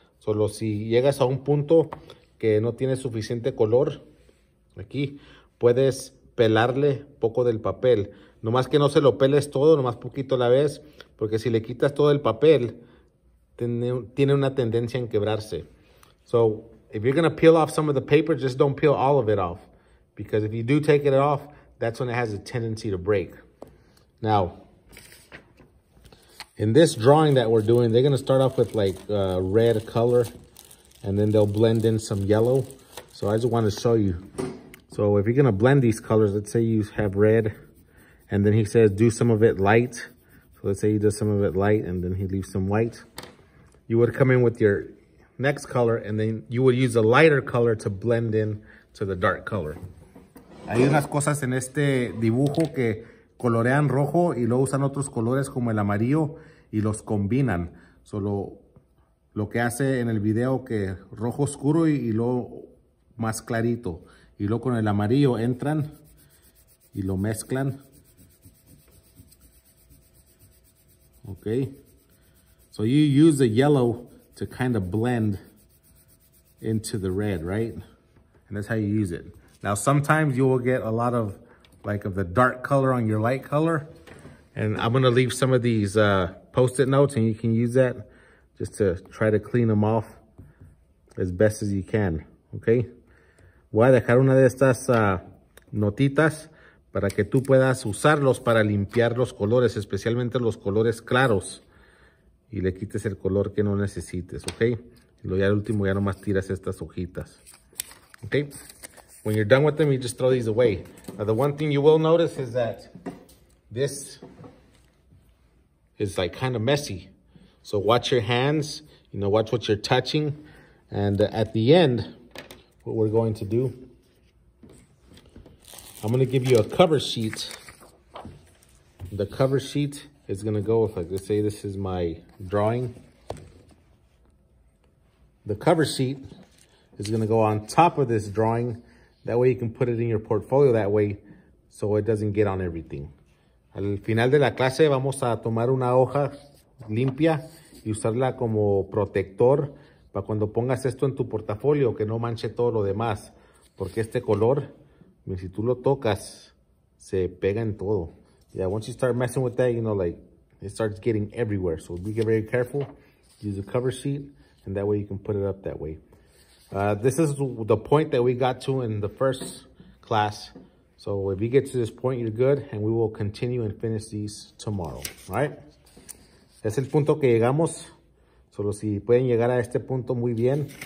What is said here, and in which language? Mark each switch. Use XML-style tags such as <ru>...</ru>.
<es>Solo si llegas a un punto que no tiene suficiente color, aquí puedes pelarle poco del papel. Nomás que no se lo peles todo, nomás poquito a la vez, porque si le quitas todo el papel, tiene una tendencia en quebrarse.</es> <en>So, if you're going to peel off some of the paper, just don't peel all of it off. Because if you do take it off, that's when it has a tendency to break. Now, in this drawing that we're doing, they're going to start off with like a red color and then they'll blend in some yellow. So I just want to show you. So if you're going to blend these colors, let's say you have red and then he says do some of it light. So let's say he does some of it light and then he leaves some white. You would come in with your next color and then you would use a lighter color to blend in to the dark color.</en> <es>Hay unas cosas en este dibujo que colorean rojo y luego usan otros colores como el amarillo y los combinan. Solo lo que hace en el video que rojo oscuro y luego más clarito. Y luego con el amarillo entran y lo mezclan.</es> <en>Okay. So you use the yellow to kind of blend into the red, right? And that's how you use it. Now, sometimes you will get a lot of, like, of the dark color on your light color. And I'm going to leave some of these post-it notes, and you can use that just to try to clean them off as best as you can, okay?</en> <es>Voy a dejar una de estas notitas para que tú puedas usarlos para limpiar los colores, especialmente los colores claros, y le quites el color que no necesites, okay? Y luego ya al último ya nomás tiras estas hojitas, okay?</es> <en>When you're done with them, you just throw these away. Now, the one thing you will notice is that this is like kind of messy. So watch your hands, you know, watch what you're touching. And at the end, what we're going to do, I'm going to give you a cover sheet. The cover sheet is going to go with, like, let's say this is my drawing. The cover sheet is going to go on top of this drawing. That way you can put it in your portfolio that way so it doesn't get on everything.</en> <es>Al final de la clase vamos a tomar una hoja limpia y usarla como protector para cuando pongas esto en tu portafolio que no manche todo lo demás. Porque este color, si tú lo tocas, se pega en todo.</es> <en>Yeah, once you start messing with that, you know, like, it starts getting everywhere. So be very careful. Use a cover sheet and that way you can put it up that way. This is the point that we got to in the first class. So if you get to this point, you're good. And we will continue and finish these tomorrow. All right.</en> <es>Es el punto que llegamos. Solo si pueden llegar a este punto, muy bien.</es>